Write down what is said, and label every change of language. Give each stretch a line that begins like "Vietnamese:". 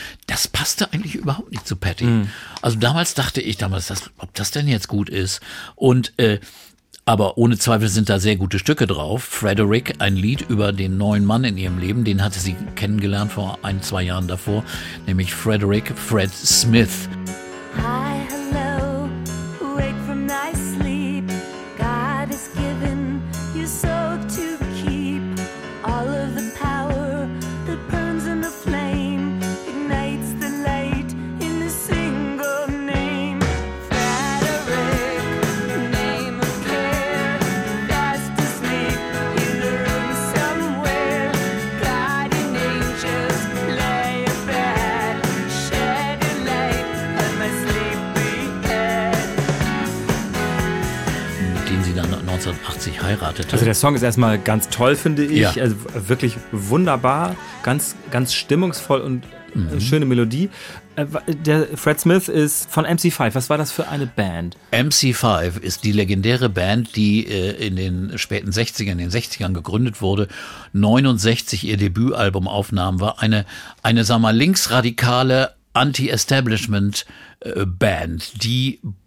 German: Das passte eigentlich überhaupt nicht zu Patti. Mhm. Also damals dachte ich damals, dass, ob das denn jetzt gut ist. Und aber ohne Zweifel sind da sehr gute Stücke drauf. Frederick, ein Lied über den neuen Mann in ihrem Leben, den hatte sie kennengelernt vor ein, zwei Jahren davor, nämlich Frederick Fred Smith.
English: Hi, hello, wake from thy sleep. God has given you soul to keep. All of the power that burns in the flame ignites the light in the single name. Frederick, name of care, fast asleep in the room somewhere. Guiding angels lay abed, shed a light on my sleepy head.
German: Mit dem sie dann 1980 heiratete. Also der Song ist erstmal ganz toll, finde ich. Ja. Also wirklich wunderbar, ganz, ganz stimmungsvoll und schöne Melodie. Der Fred Smith ist von MC5. Was war das für eine Band? MC5 ist die legendäre Band, die in den späten 60ern, in den 60ern gegründet wurde, 69 ihr Debütalbum aufnahm, war eine sagen wir mal, linksradikale Anti-Establishment-Band, die